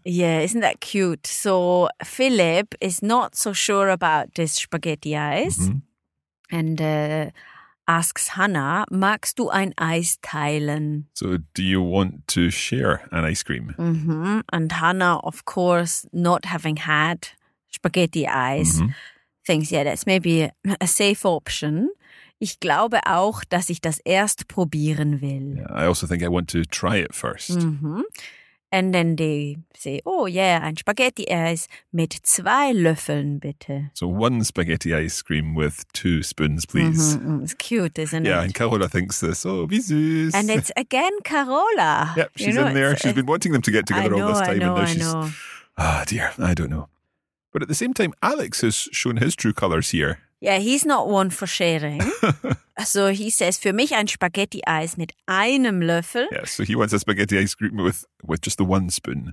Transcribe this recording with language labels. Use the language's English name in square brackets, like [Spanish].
[English] Yeah, isn't that cute? So Philip is not so sure about this spaghetti ice and asks Hannah, [German] magst du ein Eis teilen? [English] So do you want to share an ice cream? Mm-hmm. And Hannah, of course, not having had spaghetti ice, thinks, yeah, that's maybe a safe option. [German] Ich glaube auch, dass ich das erst probieren will. [English] Yeah, I also think I want to try it first. Mm-hmm. And then they say, oh yeah, [German] ein Spaghetti Eis mit zwei Löffeln, bitte. [English] So one spaghetti ice cream with two spoons, please. Mm-hmm. It's cute, isn't it? Yeah, and Carola thinks this. [French] Oh, bisous. [English] And it's again Carola. Yep, she's in there. She's been wanting them to get together all this time. Ah, oh, dear, I don't know. But at the same time, Alex has shown his true colours here. Yeah, he's not one for sharing. So he says, [German] für mich ein Spaghetti-Eis mit einem Löffel. [English] Yeah, so he wants a spaghetti ice cream with just the one spoon.